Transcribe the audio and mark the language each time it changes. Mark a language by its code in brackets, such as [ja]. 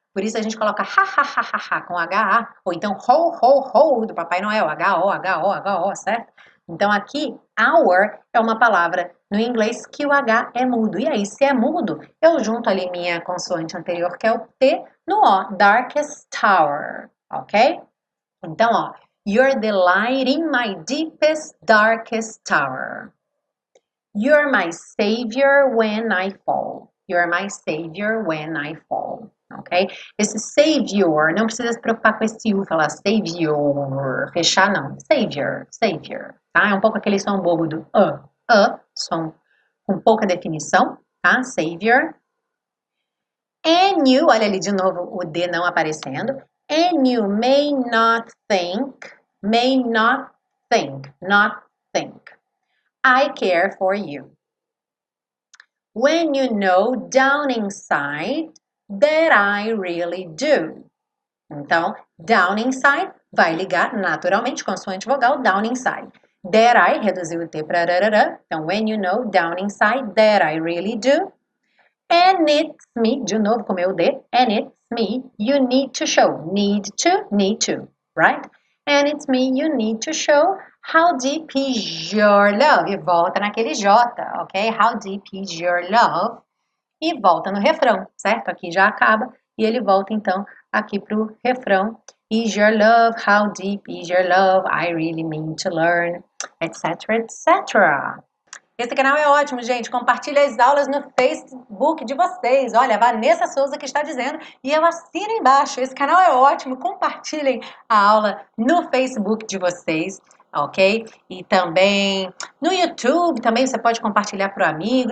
[pt] Por isso a gente coloca ha-ha-ha-ha-ha com H-A. Ou então ho-ho-ho do Papai Noel. H-O, H-O, H-O, certo? Então aqui, hour é uma palavra no inglês que o H é mudo. E aí, se é mudo, eu junto ali minha consoante anterior, que é o T, no O. [en] Darkest tower. Ok? Então, ó. You're the light in my deepest, darkest tower. You're my savior when I fall. You're my savior when I fall. Ok? [pt] Esse savior, não precisa se preocupar com esse U, falar savior, fechar, não. [en] Savior, savior. [pt] Tá? É um pouco aquele som bobo do som com pouca definição, tá? Savior. [en] And you, [pt] olha ali de novo o D não aparecendo. [en] And you may not think. May not think, not think. I care for you. When you know down inside that I really do. [pt] Então, [en] down inside [pt] vai ligar naturalmente, consoante vogal, down inside. [en] That I, [pt] reduziu o T para rararã. [en] Então, when you know down inside that I really do. And it's me, [pt] de novo com meu D. [en] And it's me you need to show. Need to, right? And it's me you need to show how deep is your love. [pt] E volta naquele J, ok? [en] How deep is your love? [pt] E volta no refrão, certo? Aqui já acaba. E ele volta então aqui pro refrão. [en] Is your love? How deep is your love? I really mean to learn, etc, etc. [pt] Esse canal é ótimo, gente. Compartilha as aulas no Facebook de vocês. Olha, a Vanessa Souza que está dizendo. E eu assino embaixo. Esse canal é ótimo. Compartilhem a aula no Facebook de vocês, ok? E também no YouTube também você pode compartilhar para o amigo.